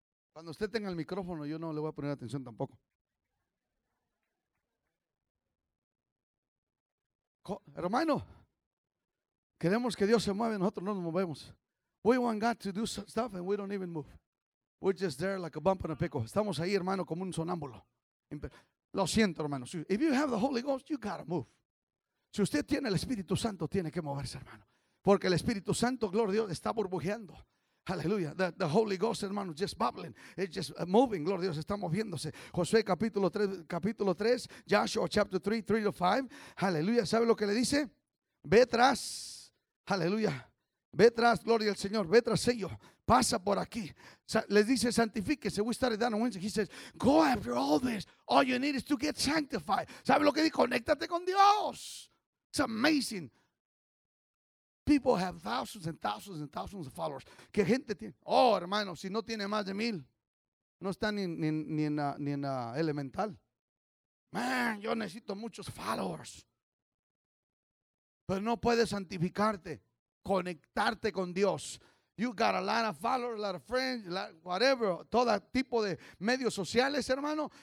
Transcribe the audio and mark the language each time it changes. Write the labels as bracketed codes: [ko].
[es] Cuando usted tenga el micrófono, yo no le voy a poner atención tampoco. Hermano, queremos que Dios se mueva y nosotros no nos movemos. [en] We want God to do some stuff and we don't even move. We're just there like a bump in a pickle. [es] Estamos ahí, hermano, como un sonámbulo. Lo siento, hermano. [en] If you have the Holy Ghost, you gotta move. [es] Si usted tiene el Espíritu Santo, tiene que moverse, hermano. Porque el Espíritu Santo, gloria a Dios, está burbujeando. Hallelujah. [en] The Holy Ghost, hermano, just bubbling. It's just moving. [es] Gloria a Dios, está moviéndose. Josué capítulo 3, [en] Joshua chapter 3, 3 to 5. [es] Hallelujah. ¿Sabe lo que le dice? Ve tras. Hallelujah. Ve tras, gloria al Señor. Ve tras ellos. Pasa por aquí. Les dice, santifíquese. [en] We started down on Wednesday. He says, go after all this. All you need is to get sanctified. [es] ¿Sabe lo que dice? Conéctate con Dios. [en] It's amazing. People have thousands and thousands and thousands of followers. [es] ¿Qué gente tiene? Oh, hermano, si no tiene más de 1,000, no está ni en elemental. Man, yo necesito muchos followers. Pero no puedes santificarte, conectarte con Dios. [en] You got a lot of followers, a lot of friends, whatever. [es] Todo tipo de medios sociales, hermano.